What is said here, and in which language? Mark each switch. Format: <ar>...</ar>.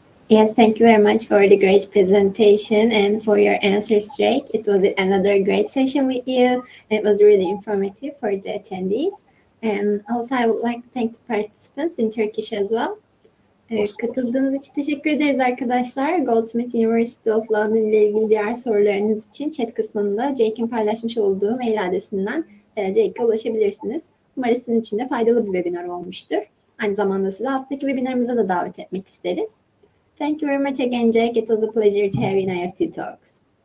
<en>Yes, thank you very much for the great presentation and for your answers, Jake. It was another great session with you. It was really informative for the attendees. And also, I would like to thank the participants in Turkish as well.</en> <tr>Katıldığınız için teşekkür ederiz arkadaşlar. Goldsmith University of London ile ilgili diğer sorularınız için chat kısmında Jake'in paylaşmış olduğu mail adresinden Jake'e ulaşabilirsiniz. Umarım sizin için de faydalı bir webinar olmuştur. Aynı zamanda sizi haftaki webinarımıza da davet etmek isteriz.</tr> <en>Thank you very much again, Jake. It was a pleasure to have you in IEFT Talks.</en>